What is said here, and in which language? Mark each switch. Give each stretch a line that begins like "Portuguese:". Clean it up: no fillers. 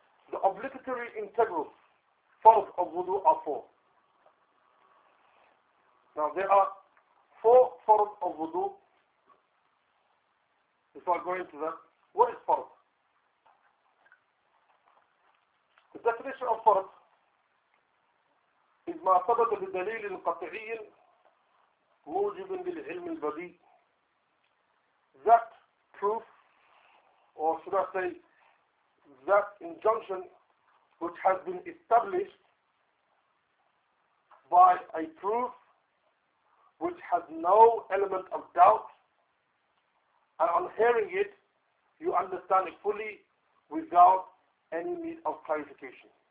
English: The obligatory integral forms of wudu are four. Now there are four forms of wudu. Before I go into that, what is farz? The definition of farz is
Arabic: ما ثبت بدليل قطعي موجب للعلم البديع.
English: That proof, or should I say, that injunction which has been established by a proof which has no element of doubt, and on hearing it, you understand it fully without any need of clarification.